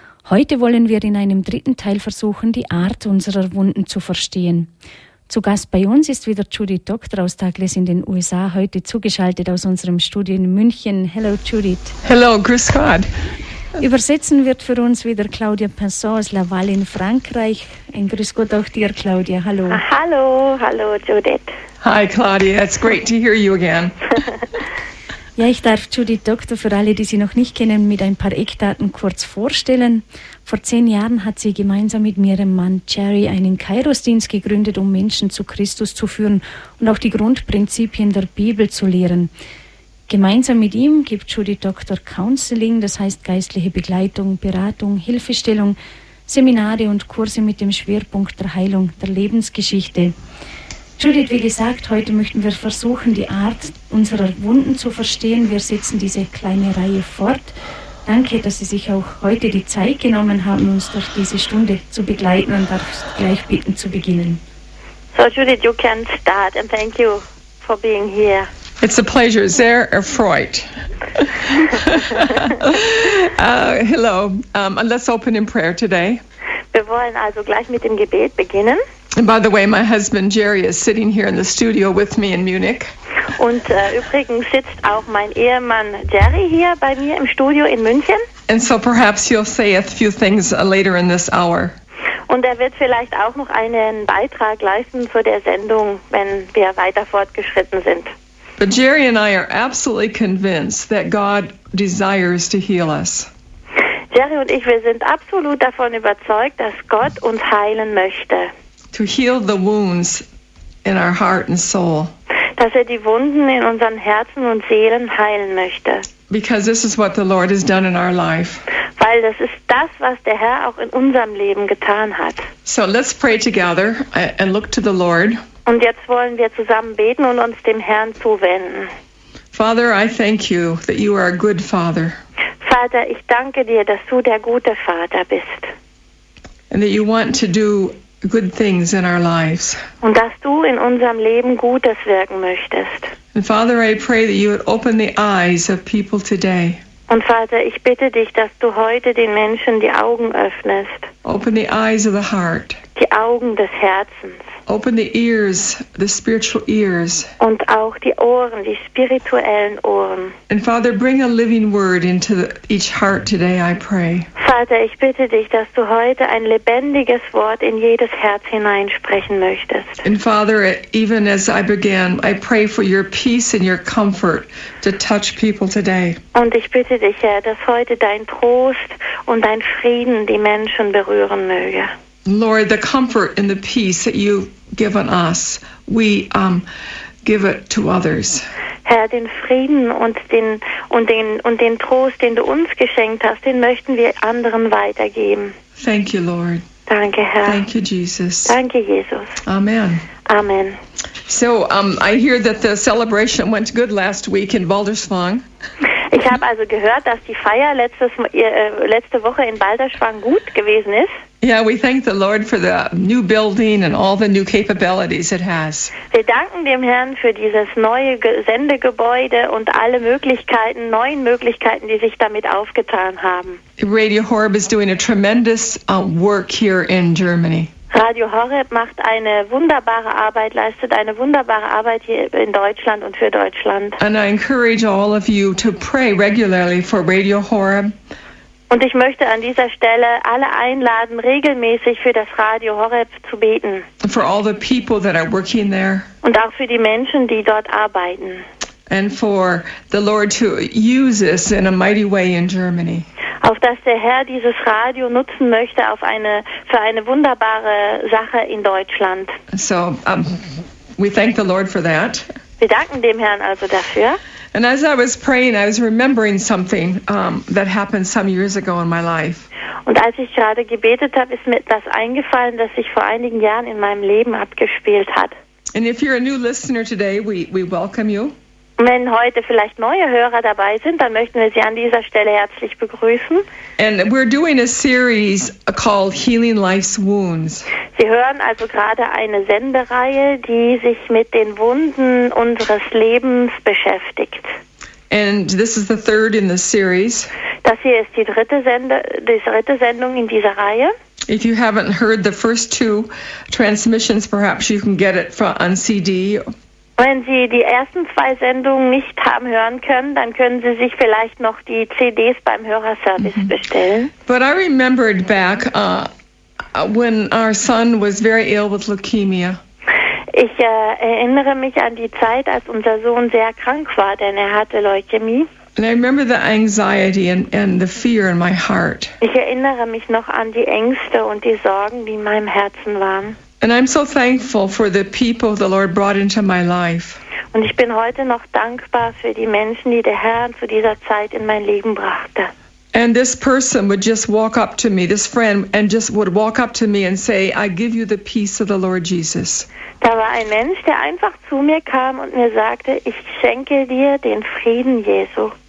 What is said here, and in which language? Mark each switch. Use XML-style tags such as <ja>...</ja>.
<de>Heute wollen wir in einem dritten Teil versuchen, die Art unserer Wunden zu verstehen. Zu Gast bei uns ist wieder Judy Doctor aus Douglas in den USA, heute zugeschaltet aus unserem Studio in München.</de> <en>Hello Judith.</en> <de>Hello, grüß Gott. Übersetzen wird für uns wieder Claudia Pinson aus Laval in Frankreich. Ein Grüß Gott auch dir, Claudia. Hallo. Hallo, hallo Judith.</de> <en>Hi Claudia, it's great to hear you again.</en> <de>Ja, ich darf Judith Doctor für alle, die sie noch nicht kennen, mit ein paar Eckdaten kurz vorstellen. Vor 10 Jahren hat sie gemeinsam mit ihrem Mann Jerry einen Kairos-Dienst gegründet, um Menschen zu Christus zu führen und auch die Grundprinzipien der Bibel zu lehren. Gemeinsam mit ihm gibt Judy Doctor Counseling, das heißt geistliche Begleitung, Beratung, Hilfestellung, Seminare und Kurse mit dem Schwerpunkt der Heilung der Lebensgeschichte. Judith, wie gesagt, heute möchten wir versuchen, die Art unserer Wunden zu verstehen. Wir setzen diese kleine Reihe fort. Danke, dass Sie sich auch heute die Zeit genommen haben, uns durch diese Stunde zu begleiten, und darf gleich bitten zu beginnen.</de> <en>So Judith, you can start and thank you for being here. It's a pleasure,</en> <de>sehr erfreut.</de> <en>hello, let's open in prayer today.</en> <de>Wir wollen also gleich mit dem Gebet beginnen.</de> <en>And by the way, my husband Jerry is sitting here in the studio with me in Munich.</en> <de>Und übrigens sitzt auch mein Ehemann Jerry hier bei mir im Studio in München.</de> <en>And so perhaps he'll say a few things later in this hour.</en> <de>Und wird vielleicht auch noch einen Beitrag leisten zu der Sendung, wenn wir weiter fortgeschritten sind.</de> <en>But Jerry and I are absolutely convinced that God desires to heal us.</en> <de>Jerry und ich, wir sind absolut davon überzeugt, dass Gott uns heilen möchte.</de> <en>To heal the wounds in our heart and soul.</en> <de>Dass die Wunden in unseren Herzen und Seelen heilen möchte.</de> <en>Because this is what the Lord has done in our life.</en> <de>Weil das ist das, was der Herr auch in unserem Leben getan hat.</de> <en>So let's pray together and look to the Lord.</en> <de>Und jetzt wollen wir zusammen beten und uns dem Herrn zuwenden.</de> <en>Father, I thank you that you are a good father.</en> <de>Vater, ich danke dir, dass du der gute Vater bist.</de> <en>And that you want to do good things in our lives.</en> <de>Und dass du in unserem Leben Gutes wirken möchtest.</de> <en>And Father, I pray that you would open the eyes of people today.</en> <de>Und Vater, ich bitte dich, dass du heute den Menschen die Augen öffnest.</de> <en>Open the eyes of the heart.</en> <de>Die Augen des Herzens.</de> <en>Open the ears, the spiritual ears.</en> <de>Und auch die Ohren, die spirituellen Ohren.</de> <en>And Father, bring a living word into each heart today, I pray.</en> <de>Vater, ich bitte dich, dass du heute ein lebendiges Wort in jedes Herz hineinsprechen möchtest.</de> <en>And Father, even as I began, I pray for your peace and your comfort to touch people today.</en> <de>Und ich bitte dich, Herr, dass heute dein Trost und dein Frieden die Menschen berühren möge.</de> <en>Lord, the comfort and the peace that you've given us, we give it to others.</en> <de>Herr, den Frieden und den Trost, den du uns geschenkt hast, den möchten wir anderen weitergeben.</de> <en>Thank you, Lord.</en> <de>Danke, Herr.</de> <en>Thank you, Jesus.</en> <de>Danke, Jesus. Amen. Amen.</de> <en>So, I hear that the celebration went good last week in Balderschwang.</en> <de>Ich habe also gehört, dass die Feier letzte Woche in Balderschwang gut gewesen ist.</de> <en>Yeah, we thank the Lord for the new building and all the new capabilities it has.</en> <de>Wir danken dem Herrn für dieses neue Sendegebäude und alle Möglichkeiten, neuen Möglichkeiten, die sich damit aufgetan haben.</de> <en>Radio Horeb is doing a tremendous work here in Germany.</en> <de>Radio Horeb macht eine wunderbare Arbeit, leistet eine wunderbare Arbeit hier in Deutschland und für Deutschland.</de> <en>And I encourage all of you to pray regularly for Radio Horeb.</en> <de>Und ich möchte an dieser Stelle alle einladen, regelmäßig für das Radio Horeb zu beten.</de> <en>For all the people that are working there.</en> <de>Und auch für die Menschen, die dort arbeiten.</de> <en>And for the Lord to use this in a mighty way in Germany.</en> <de>Auf dass der Herr dieses Radio nutzen möchte auf eine, für eine wunderbare Sache in Deutschland.</de> <en>So, we thank the Lord for that.</en> <de>Wir danken dem Herrn also dafür.</de> <en>And as I was praying, I was remembering something that happened some years ago in my life.</en> <de>Und als ich gerade gebetet habe, ist mir etwas eingefallen, das sich vor einigen Jahren in meinem Leben abgespielt hat.</de> <en>And if you're a new listener today, we welcome you.</en> <de>Wenn heute vielleicht neue Hörer dabei sind, dann möchten wir Sie an dieser Stelle herzlich begrüßen.</de> <en>And we're doing a series called Healing Life's Wounds.</en> <de>Sie hören also gerade eine Sendereihe, die sich mit den Wunden unseres Lebens beschäftigt.</de> <en>And this is the third in the series.</en> <de>Das hier ist die dritte Sendung in dieser Reihe.</de> <en>If you haven't heard the first two transmissions, perhaps you can get it on CD.</en> <de>Wenn Sie die ersten zwei Sendungen nicht haben hören können, dann können Sie sich vielleicht noch die CDs beim Hörerservice bestellen.</de> <en>But I remembered back when our son was very ill with leukemia.</en> <de>Ich erinnere mich an die Zeit, als unser Sohn sehr krank war, denn er hatte Leukämie.</de> <en>And I remember the anxiety and the fear in my heart.</en> <de>Ich erinnere mich noch an die Ängste und die Sorgen, die in meinem Herzen waren.</de> <en>And I'm so thankful for the people the Lord brought into my life.</en> <de>Und ich bin heute noch dankbar für die Menschen, die der Herr zu dieser Zeit in mein Leben brachte.</de> <en>And this person would just walk up to me, this friend, and just would walk up to me and say, I give you the peace of the Lord Jesus.</en> <de>Da war ein Mensch, der einfach zu mir kam und mir sagte, ich schenke dir den Frieden Jesu.</de>